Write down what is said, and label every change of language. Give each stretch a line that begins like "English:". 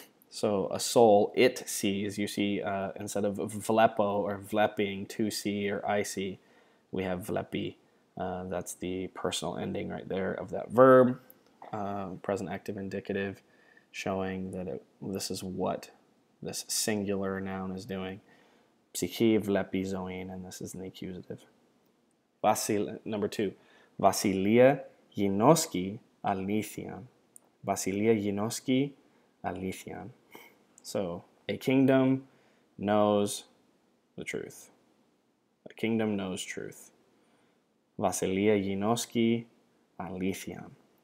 English: So a soul, it sees. You see, instead of vlepo or vleping, to see or I see, we have vlepi. That's the personal ending right there of that verb. Present active indicative, showing that this is what this singular noun is doing.
Greek: Ψυχή βλέπει ζωήν,
English: and this is an accusative.
Greek: Number two, Βασιλεία γινώσκει αλήθειαν. Βασιλεία γινώσκει αλήθειαν.
English: So, a kingdom knows the truth. A kingdom knows truth.
Greek: Βασιλεία γινώσκει αλήθειαν.